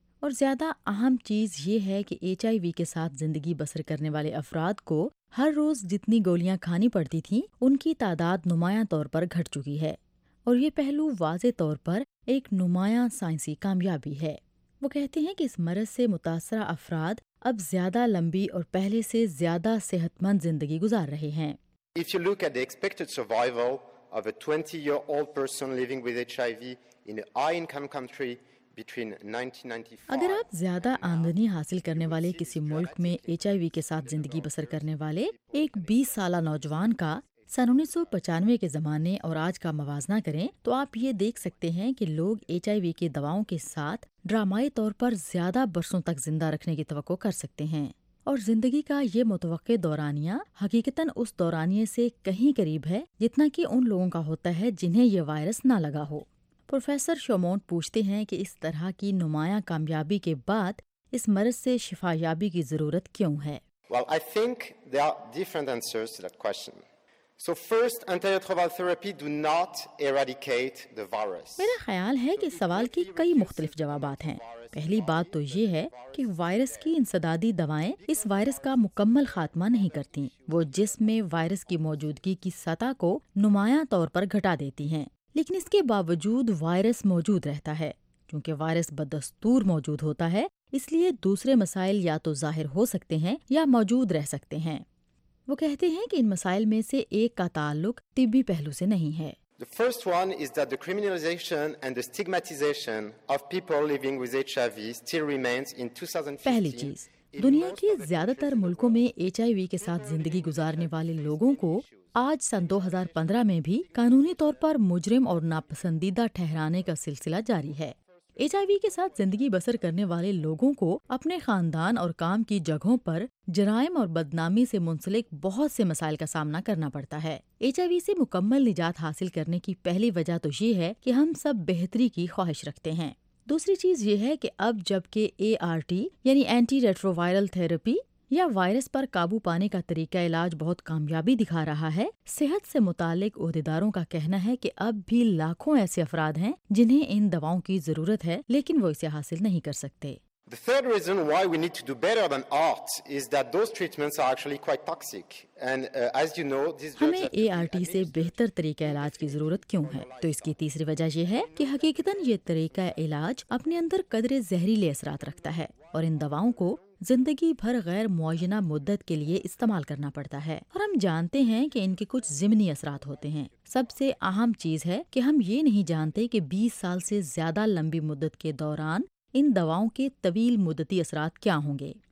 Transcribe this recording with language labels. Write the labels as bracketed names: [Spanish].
[Urdu] اور زیادہ اہم چیز یہ ہے کہ ایچ آئی وی کے ساتھ زندگی بسر کرنے والے افراد کو ہر روز جتنی گولیاں کھانی پڑتی تھیں ان کی تعداد نمایاں طور پر گھٹ چکی ہے، اور یہ پہلو واضح طور پر ایک نمایاں سائنسی کامیابی ہے۔ وہ کہتے ہیں کہ اس مرض سے متاثرہ افراد اب زیادہ لمبی اور پہلے سے زیادہ صحت مند زندگی گزار رہے ہیں۔ [English] If you look at the expected survival of a 20-year-old person living with HIV in a high-income country between 1995, [Urdu] اگر آپ زیادہ آمدنی حاصل کرنے والے کسی ملک میں ایچ آئی وی کے ساتھ زندگی بسر کرنے والے ایک 20 سالہ نوجوان کا سن 1995 کے زمانے اور آج کا موازنہ کریں تو آپ یہ دیکھ سکتے ہیں کہ لوگ ایچ آئی وی کے دواؤں کے ساتھ ڈرامائی طور پر زیادہ برسوں تک زندہ رکھنے کی توقع کر سکتے ہیں، اور زندگی کا یہ متوقع دورانیہ حقیقتاً اس دورانیے سے کہیں قریب ہے جتنا کہ ان لوگوں کا ہوتا ہے جنہیں یہ وائرس نہ لگا ہو۔ پروفیسر شومونٹ پوچھتے ہیں کہ اس طرح کی نمایاں کامیابی کے بعد اس مرض سے شفا یابی کی ضرورت کیوں ہے؟ [English] Well, I think there are different answers to that question. So first, antiretroviral therapy do not eradicate the virus. [Urdu] میرا خیال ہے کہ سوال کی کئی مختلف جوابات ہیں۔ پہلی بات تو یہ ہے کہ وائرس کی انسدادی دوائیں اس وائرس کا مکمل خاتمہ نہیں کرتی، وہ جسم میں وائرس کی موجودگی کی سطح کو نمایاں طور پر گھٹا دیتی ہیں، لیکن اس کے باوجود وائرس موجود رہتا ہے۔ کیونکہ وائرس بدستور موجود ہوتا ہے، اس لیے دوسرے مسائل یا تو ظاہر ہو سکتے ہیں یا موجود رہ سکتے ہیں۔ وہ کہتے ہیں کہ ان مسائل میں سے ایک کا تعلق طبی پہلو سے نہیں ہے۔ [English] The first one is that the criminalization and the stigmatization of people living with HIV still remains in 2015. [Urdu] پہلی چیز، دنیا کے زیادہ تر ملکوں میں ایچ آئی وی کے ساتھ زندگی گزارنے والے لوگوں کو آج سن 2015 میں بھی قانونی طور پر مجرم اور ناپسندیدہ ٹھہرانے کا سلسلہ جاری ہے۔ ایچ آئی وی کے ساتھ زندگی بسر کرنے والے لوگوں کو اپنے خاندان اور کام کی جگہوں پر جرائم اور بدنامی سے منسلک بہت سے مسائل کا سامنا کرنا پڑتا ہے۔ ایچ آئی وی سے مکمل نجات حاصل کرنے کی پہلی وجہ تو یہ ہے کہ ہم سب بہتری کی خواہش رکھتے ہیں۔ دوسری چیز یہ ہے کہ اب جبکہ ART یعنی اینٹی ریٹرو وائرل تھراپی یا وائرس پر قابو پانے کا طریقہ علاج بہت کامیابی دکھا رہا ہے، صحت سے متعلق عہدیداروں کا کہنا ہے کہ اب بھی لاکھوں ایسے افراد ہیں جنہیں ان دواؤں کی ضرورت ہے لیکن وہ اسے حاصل نہیں کر سکتے۔ [English] The third reason why we need to do better than ART is that those treatments are actually quite toxic. And as you know, these drugs [Urdu] ہمیں ART سے بہتر طریقہ علاج کی ضرورت کیوں ہے؟ تو اس کی تیسری وجہ یہ ہے کہ حقیقتاً یہ طریقہ علاج اپنے اندر قدرے زہریلے اثرات رکھتا ہے، اور ان دواؤں کو زندگی بھر غیر معینہ مدت کے لیے استعمال کرنا پڑتا ہے، اور ہم جانتے ہیں کہ ان کے کچھ ضمنی اثرات ہوتے ہیں۔ سب سے اہم چیز ہے کہ ہم یہ نہیں جانتے کہ 20 سال سے زیادہ لمبی مدت کے دوران ان دواؤں کے طویل مدتی اثرات کیا ہوں گے۔